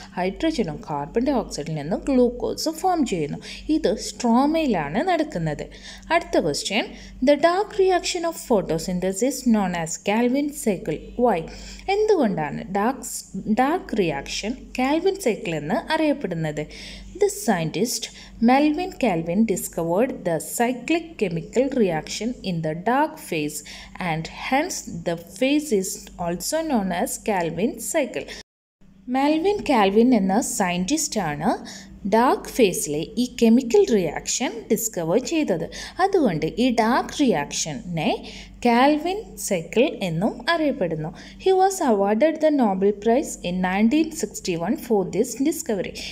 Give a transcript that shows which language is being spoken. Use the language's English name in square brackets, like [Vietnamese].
[Malayalam] ഹൈഡ്രജനും carbon dye ഓക്സൈഡിൽ നിന്നും glucose form ചെയ്യുന്നു. ഇത് സ്ട്രോമയിലാണ് നടക്കുന്നത്. അടുത്ത [English] Question, the dark reaction of photosynthesis known as Calvin cycle. [Malayalam] Y, എന്തുകൊണ്ടാണ് ഡാർക്ക് റിയാക്ഷൻ കാൽവിൻ സൈക്കിൾ എന്ന് അറിയപ്പെടുന്നത്? [English] The scientist Melvin Calvin discovered the cyclic chemical reaction in the dark phase and hence the phase is also known as Calvin cycle. [Malayalam] Melvin Calvin എന്ന scientist ആണ് dark ഫേസിലെ ഈ chemical reaction discover ചെയ്തത്. അതുകൊണ്ട് ഈ dark റിയാക്ഷനെ Calvin cycle എന്നും അറിയപ്പെടുന്നു. [English] He was awarded the Nobel prize in 1961 for this discovery.